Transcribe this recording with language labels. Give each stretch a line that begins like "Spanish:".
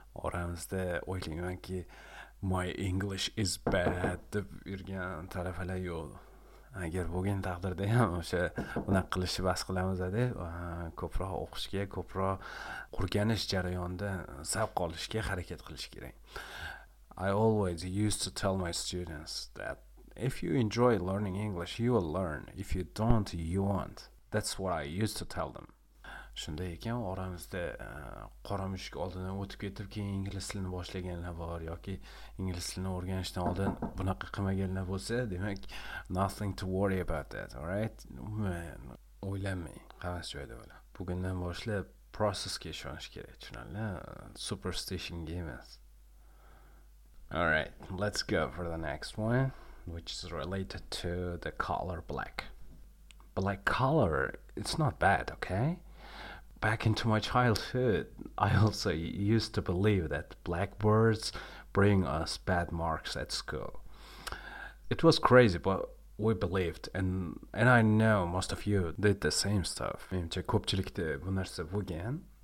Uzbek: Oramizda o'ylaymanki,
English: my English is bad
Uzbek: deb yurgan talabalar yo'q. Agar bo'lgan taqdirda ham o'sha unaqa qilishni bas qilamizda, ko'proq o'qishga, ko'proq qurganish jarayonida zavq olishga harakat qilish kerak.
English: I always used to tell my students that if you enjoy learning English, you will learn. If you don't, you won't. That's what I used to tell them.
Uzbek: Shunday ekan, oramizda qora mushuk oldidan o'tib ketib, keyin ingliz tilini boshlaganlar bor yoki ingliz tilini o'rganishdan oldin bunaqa qilmaganlar bo'lsa, demak,
English: nothing to worry about that, all right?
Uzbek: Man, o'ylamang, qavas joyda bo'la. Bugundan boshlab processga ishonish kerak, tushunarli, superstition emas.
English: All right, let's go for the next one, which is related to the color black. Black color, it's not bad, okay? Back into my childhood, I also used to believe that blackboards bring us bad marks at school. It was crazy, but we believed, and I know most of you did the same stuff.
Uzbek: Menimcha ko'pchilikda bu narsa bo'lgan.